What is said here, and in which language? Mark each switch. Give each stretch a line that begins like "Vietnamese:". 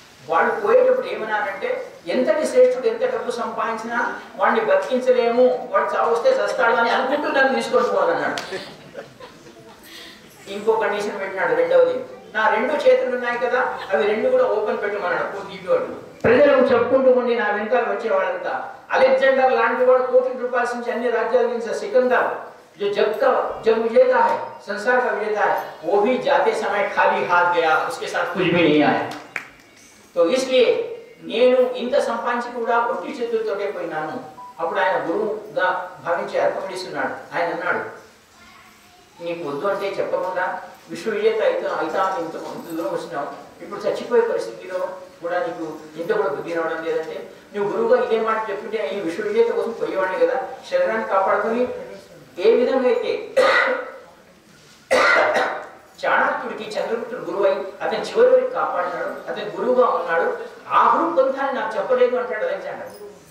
Telugu: వాళ్ళు పోయేటప్పుడు ఏమన్నారంటే ఎంతటి శ్రేష్ఠుడు ఎంత డబ్బు సంపాదించినా వాడిని బతికించలేము, వాడు చావు వస్తే చస్తాడు అని అనుకుంటూ నన్ను తీసుకొని పోవాలన్నాడు. ఇంకో కండిషన్ పెట్టినాడు రెండవది, నా రెండు చేతులు ఉన్నాయి కదా అవి రెండు కూడా ఓపెన్ పెట్టమన్నాడు. ఇటువంటి ప్రజలకు చెప్పుకుంటూ ఉండి నా వెనకాల వచ్చే వాళ్ళంతా అలెగ్జాండర్ లాంటి వాడు కోటి రూపాయల నుంచి అన్ని రాజ్యాల నుంచి సికందర్
Hindi: जो जब का जब विजेता है संसार का विजेता है वो भी जाते समय खाली हाथ गया, उसके साथ कुछ भी नहीं आया. तो इसलिए
Telugu: నేను ఇంత సంపాంచి కూడా ఒట్టి చేతులతోనే పోయినాను. అప్పుడు ఆయన గురువుగా భావించి అర్పణిస్తున్నాడు. ఆయన అన్నాడు, నీకు వద్దు అంటే చెప్పకుండా విశ్వ విజేత అయితే అవుతాను, ఇంత కొంత దూరం వచ్చినావు, ఇప్పుడు చచ్చిపోయే పరిస్థితిలో కూడా నీకు ఇంత కూడా బుద్ధి రావడం లేదంటే నువ్వు గురువుగా ఇదే మాట చెప్పుంటే ఈ విశ్వ విజేత కోసం పోయేవాడి కదా, శరీరాన్ని కాపాడుకుని ఏ విధంగా అయితే చాణాక్యుడికి చంద్రగుప్తుడు గురువు అయి అతని చివరి వరకు కాపాడినాడు, అతని గురువుగా ఉన్నాడు, ఆ గురుపంథాన్ని నాకు చెప్పలేదు అంటాడు అలెగ్జాండర్.